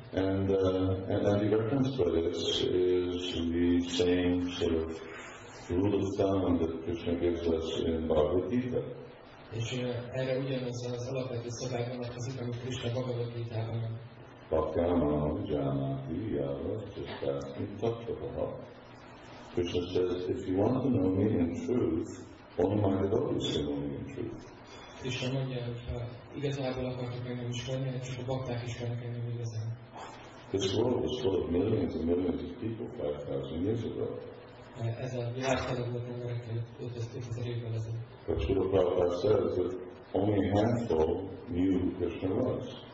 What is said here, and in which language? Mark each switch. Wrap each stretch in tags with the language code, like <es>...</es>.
<en>And the reference for this is the same sort of rule of thumb that Krishna gives us in Bhagavad Gita.</en> <hu>És erre ugyanaz az alapvető szabály vonatkozik, amit Krishna Bhagavad Gita-ban mond.</hu> <sa>Bhakyama ujjanati yavasthasthasmi tattvaha.</sa> <en>Krishna says, if you want to know me in truth, only my devotees can know me in truth.</en> <hu>Krishna mondja, hogy ha igazából akartok engem ismerni, csak a bakták ismernek engem igazán.</hu> <en>This world was full of millions and millions of people 5,000 years ago.</en> <hu>Ez a világtalan volt emberekkel 5,000 évvel ezelőtt.</hu> <en>But Srila Prabhupada says that only a handful knew who Krishna was.</en>